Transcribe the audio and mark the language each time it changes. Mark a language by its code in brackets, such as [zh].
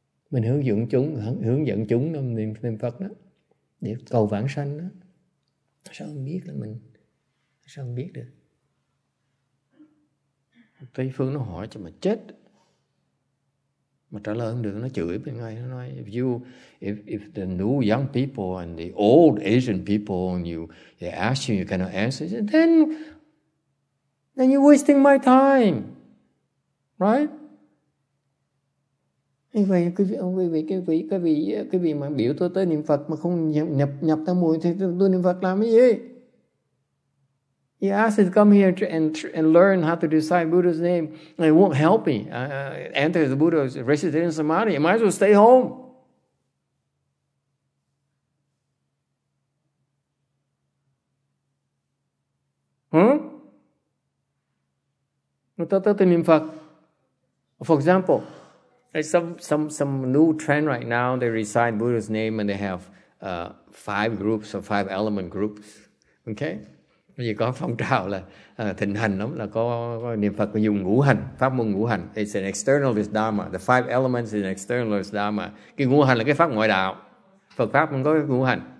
[vi] Mình hướng dẫn chúng, niệm Phật đó. Để cầu vãng sanh đó. Sao không biết là mình? Sao không biết được? Tây phương nó hỏi cho mà chết. Mà trả lời không được, nó chửi bên ngay. [en] Nó nói, if the new young people and the old Asian people and you, they ask you, you cannot answer. Then you're wasting my time. Right? [vi] Như vậy cái vị mà biểu tôi tới niệm Phật mà không nhập tam muội thì tôi niệm Phật làm cái gì? [en] He asked to come here and learn how to recite Buddha's name. It won't help me enter the Buddha's recitation samadhi. I might as well stay home. [vi] Tôi niệm Phật. [en] For example, there's some new trend right now. They recite Buddha's name and they have five groups or five element groups. Okay? [vi] Bây giờ có phong trào là thịnh hành lắm, là có niệm Phật dùng ngũ hành, pháp môn ngũ hành. [en] It's an externalist dharma. The five elements is an externalist dharma. [vi] Cái ngũ hành là cái pháp ngoại đạo. Phật pháp không có cái ngũ hành.